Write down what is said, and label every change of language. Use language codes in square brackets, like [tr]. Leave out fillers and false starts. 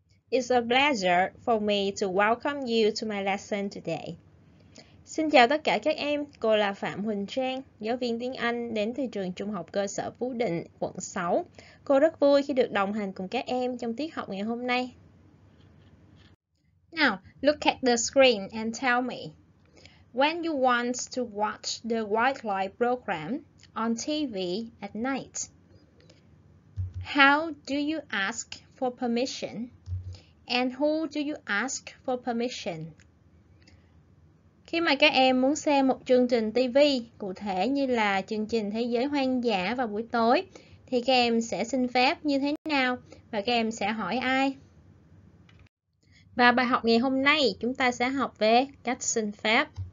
[en] It's a pleasure for me to welcome you to my lesson today. [vi] Xin chào tất cả các em, cô là Phạm Huỳnh Trang, giáo viên tiếng Anh đến từ trường trung học cơ sở Phú Định, quận 6. Cô rất vui khi được đồng hành cùng các em trong tiết học ngày hôm nay. [en] Now, look at the screen and tell me. When you want to watch the wildlife program on TV at night, how do you ask for permission? And who do you ask for permission? [vi] Khi mà các em muốn xem một chương trình TV, cụ thể như là chương trình Thế giới hoang dã vào buổi tối, thì các em sẽ xin phép như thế nào và các em sẽ hỏi ai? Và bài học ngày hôm nay, chúng ta sẽ học về cách xin phép.